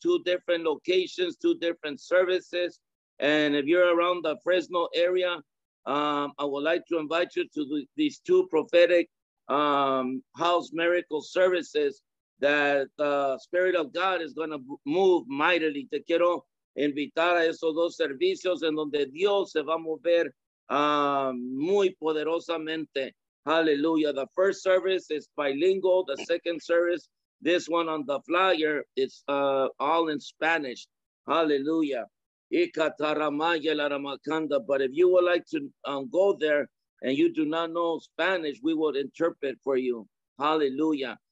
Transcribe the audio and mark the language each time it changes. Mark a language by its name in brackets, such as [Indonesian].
[English] Two different locations, two different services. And if you're around the Fresno area, I would like to invite you to these two prophetic house miracle services that the Spirit of God is going to move mightily. [Spanish] Te quiero invitar a esos dos servicios en donde Dios se va a mover muy poderosamente. [English] Hallelujah. The first service is bilingual. The second service, this one on the flyer, is all in Spanish. Hallelujah. But if you would like to go there and you do not know Spanish, we will interpret for you. Hallelujah.